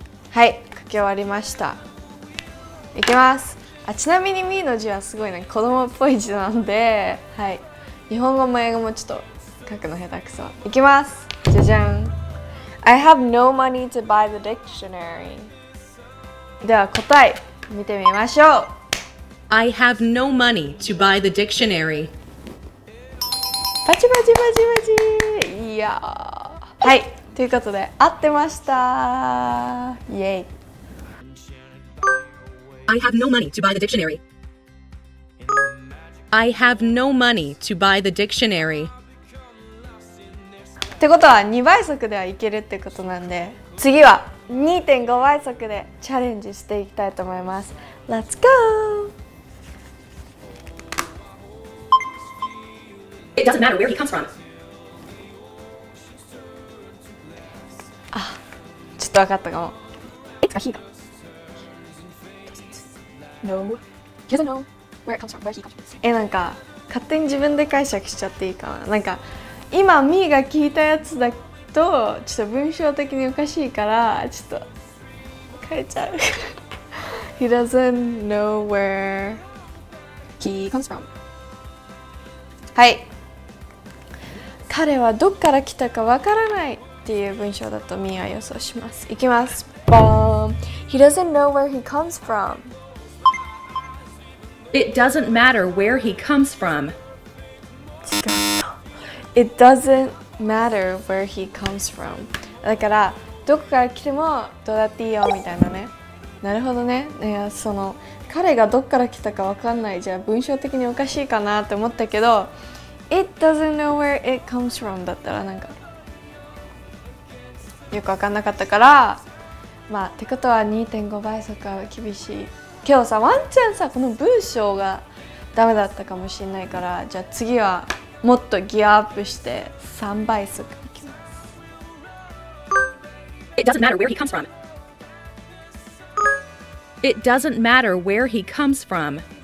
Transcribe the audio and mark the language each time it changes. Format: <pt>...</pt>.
<ja>はい、書き終わりました。いきます。あ、ちなみにみーの字はすごいね、子供っぽい字なんで、はい、日本語も英語もちょっと書くの下手くそ。いきます。じゃじゃん。</ja> <en>I have no money to buy the dictionary.</en> <ja>では答え見てみましょう。</ja> <en>I have no money to buy the dictionary.</en> <ja>バチバチバチバチ、いやー、はい、ということで合ってました。イエイ。</ja> <en>I have no money to buy the dictionary. I have no money to buy the dictionary.</en> <ja>ってことは2倍速ではいけるってことなんで、次は2.5 倍速でチャレンジしていきたいと思います。</ja> <en>Let's go! It doesn't matter where he comes from.</en> <ja>あ、ちょっとわかったかも。</ja> <en>It's a he. No. He doesn't know where it comes from, where he comes from.</en> <ja>なんか勝手に自分で解釈しちゃっていいかな。なんか今ミーが聞いたやつだとちょっと文章的におかしいからちょっと変えちゃう。</ja> <en>He doesn't know where he comes from.</en> <ja>はい。彼はどっから来たかわからないっていう文章だとミーは予想します。いきます。ボーン。</ja> <en>He doesn't know where he comes from. It doesn't matter where he comes from. It doesn't. Matter where he comes from.</en> <ja>だからどこから来てもどうだっていいよみたいなね。なるほどね。いや、その彼がどこから来たかわかんない、じゃあ文章的におかしいかなって思ったけど、</ja> <en>It doesn't know where it comes from</en> <ja>だったらなんかよくわかんなかったから、まあってことは 2.5 倍速は厳しい。今日さ、ワンチャンさ、この文章がダメだったかもしれないから、じゃあ次はもっとギアアップして3倍速いきます。</ja> <en>It doesn't matter where he comes from. It doesn't matter where he comes from.</en>